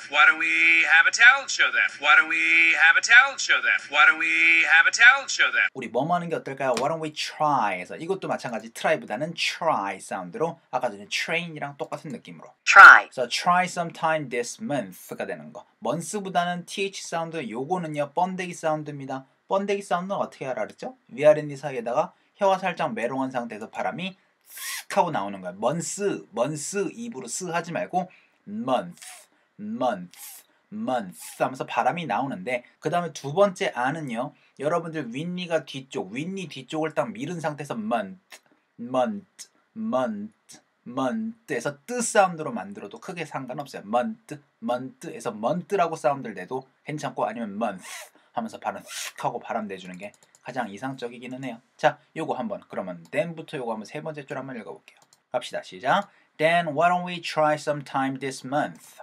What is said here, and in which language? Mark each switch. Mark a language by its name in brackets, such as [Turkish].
[English] Why don't we have a talent show then? Why don't we have a talent show then? Why don't we have a talent show then? [Korean] 우리 뭐 하는 게 어떨까요? [English] Why don't we try? [Korean] 해서 이것도 마찬가지 try보다는 try 사운드로 아까 전에 train이랑 똑같은 느낌으로 [English] try. So try sometime this month [Korean] 가 되는 거. Months보다는 th 사운드 요거는요 번데기 사운드입니다. 번데기 사운드는 어떻게 하라 그랬죠? 위아랫니 사이에다가 혀가 살짝 메롱한 상태에서 바람이 쓱 하고 나오는 거예요. Months, months 입으로 쓰 하지 말고 month, month, months 하면서 바람이 나오는데 그 다음에 두 번째 안은요 여러분들 윗니가 뒤쪽 윗니 뒤쪽을 딱 밀은 상태에서 month에서 뜨 사운드로 만들어도 크게 상관없어요. month에서 month라고 사운드를 내도 괜찮고 아니면 month 하면서 바람 쓱 하고 바람 내주는 게 가장 이상적이기는 해요. 자, 요거 한번 그러면 then부터 요거 한번 세 번째 줄 한번 읽어볼게요. 갑시다. 시작. [English] Then why don't we try sometime this month?